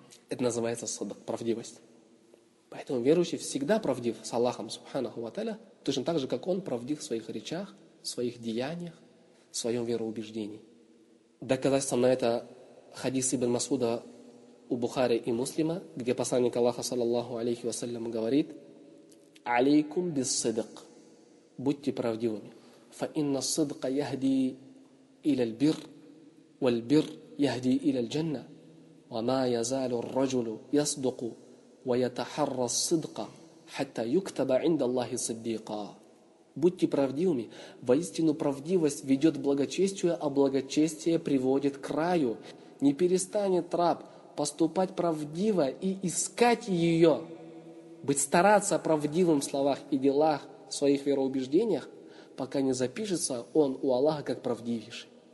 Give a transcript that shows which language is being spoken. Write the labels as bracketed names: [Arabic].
[Russian] Это называется садик, правдивость. Поэтому верующий всегда правдив с Аллахом, субханаху ва тааля, точно так же, как он правдив в своих речах, в своих деяниях, в своем вероубеждении. Доказательством на это хадис Ибн Масуда у Бухари и Муслима, где посланник Аллаха, саллаллаху алейхи ва саллям, говорит, [Arabic] «Алейкум бис садик», [Russian] «Будьте правдивыми». [Arabic] «Фа инна садика яхди إلى البر والبر يهدي إلى الجنة وما يزال الرجل يصدق ويتحرى الصدق حتى يكتب عند الله صديقا». [Russian] Будьте правдивыми. Воистину правдивость ведет к благочестию, а благочестие приводит к раю. Не перестанет раб поступать правдиво и искать ее, быть стараться правдивым в словах и делах, в своих вероубеждениях, пока не запишется он у Аллаха как правдивейший.